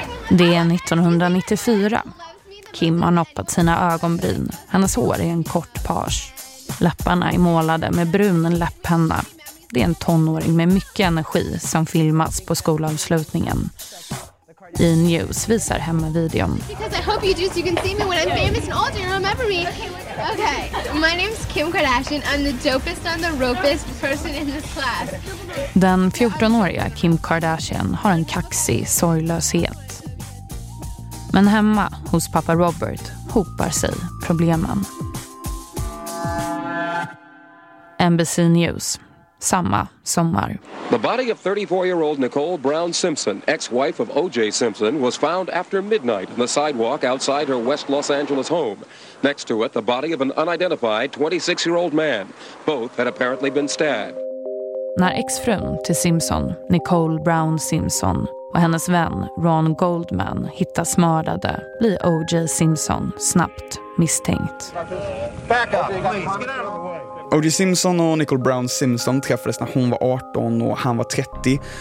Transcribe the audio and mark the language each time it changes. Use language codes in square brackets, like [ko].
[sv] Det är 1994. Kim har noppat sina ögonbryn, hennes hår är en kort page. Läpparna är målade med brun läpphenna. Det är en tonåring med mycket energi som filmas på skolavslutningen. I News visar hemma videon. [en] Because I hope you do so you can see me when I'm famous and older and remember me. Okay, my name's Kim Kardashian. I'm the dopest and the ropest person in this class. [sv] Den 14-åriga Kim Kardashian har en kaxig sorglöshet. Men hemma hos pappa Robert hopar sig problemen. NBC News. Samma sommar. [en] The body of 34-year-old Nicole Brown Simpson, ex-wife of O.J. Simpson, was found after midnight on the sidewalk outside her West Los Angeles home. Next to it, the body of an unidentified 26-year-old man. Both had apparently been stabbed. [sv] När exfrun till Simpson, Nicole Brown Simpson, och hennes vän Ron Goldman hittas mördade, blir O.J. Simpson snabbt misstänkt. [en] Back up, please. Get out of the way. [sv] O.J. Simpson och Nicole Brown Simpson träffades när hon var 18 och han var 30.